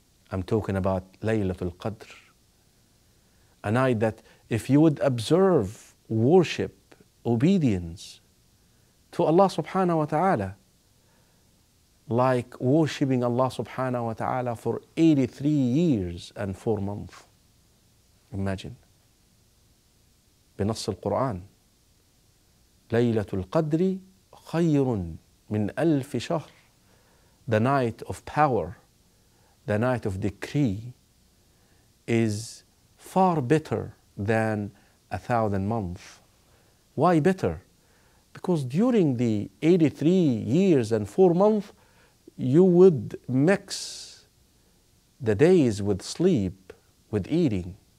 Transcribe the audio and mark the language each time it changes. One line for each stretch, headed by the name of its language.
English: I'm talking about Laylatul Qadr, a night that if you would observe, worship, obedience to Allah subhanahu wa ta'ala, like worshipping Allah subhanahu wa ta'ala for 83 years and 4 months. Imagine.
Arabic: بنص القرآن ليلة القدر خير من ألف شهر.
English: The night of power, the night of decree, is far better than 1,000 months. Why better? Because during the 83 years and 4 months, you would mix the days with sleep, with eating.